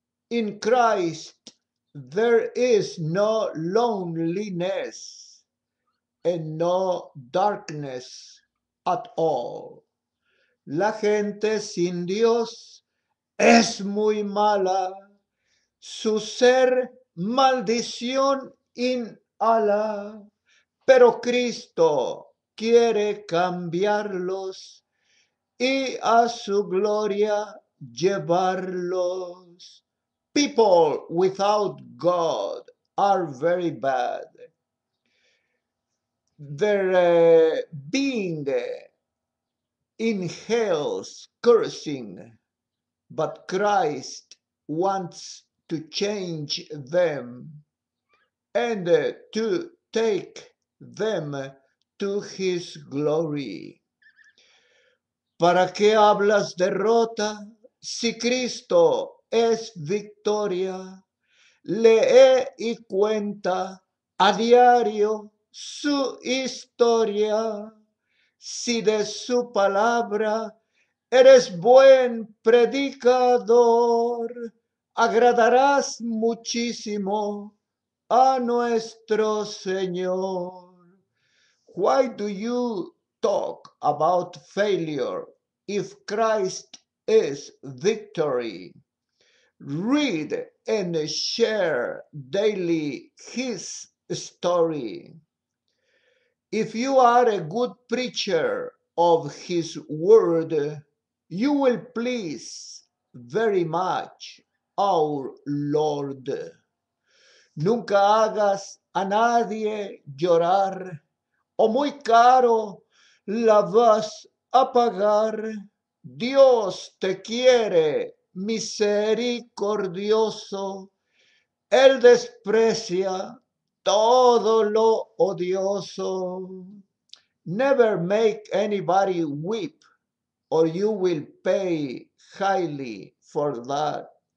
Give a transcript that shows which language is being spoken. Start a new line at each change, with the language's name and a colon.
English: In Christ there is no loneliness and no darkness at all.
Spanish: La gente sin Dios es muy mala, su ser maldición in Alá, pero Cristo quiere cambiarlos y a su gloria llevarlos.
English: People without God are very bad. Their being inhales cursing, but Christ wants to change them and to take them to his glory.
Spanish: ¿Para qué hablas derrota si Cristo es victoria? Lee y cuenta a diario su historia. Si de su palabra eres buen predicador, agradarás muchísimo a nuestro Señor.
English: Why do you talk about failure if Christ is victory? Read and share daily his story. If you are a good preacher of his word, you will please very much our Lord.
Spanish: Nunca hagas a nadie llorar, o muy caro la vas a pagar. Dios te quiere misericordioso, Él desprecia todo lo odioso.
English: Never make anybody weep, or you will pay highly for that.